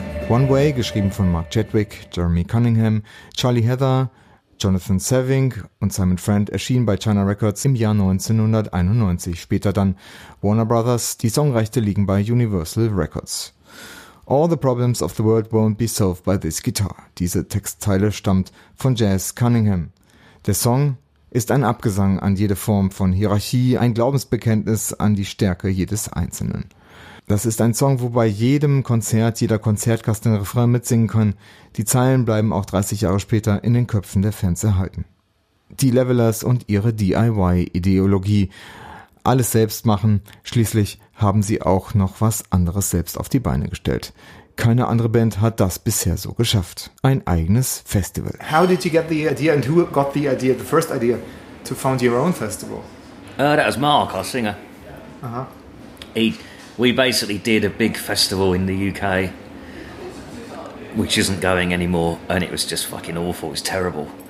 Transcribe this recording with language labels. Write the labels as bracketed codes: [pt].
[de] One Way, geschrieben von Mark Chadwick, Jeremy Cunningham, Charlie Heather, Jonathan Savink und Simon Friend, erschien bei China Records im Jahr 1991. Später dann Warner Brothers, die Songrechte liegen bei Universal Records. [en] All the problems of the world won't be solved by this guitar. [de] Diese Textzeile stammt von Jazz Cunningham. Der Song ist ein Abgesang an jede Form von Hierarchie, ein Glaubensbekenntnis an die Stärke jedes Einzelnen. Das ist ein Song, wobei jedem Konzert, jeder Konzertgast den Refrain mitsingen kann. Die Zeilen bleiben auch 30 Jahre später in den Köpfen der Fans erhalten. Die Levelers und ihre DIY-Ideologie. Alles selbst machen. Schließlich haben sie auch noch was anderes selbst auf die Beine gestellt. Keine andere Band hat das bisher so geschafft. Ein eigenes Festival. [en] How did you get the idea and who got the idea, the first idea, to found your own festival? That was Mark, our singer. Uh-huh. We basically did a big festival in the UK, which isn't going anymore, and it was just fucking awful. It was terrible.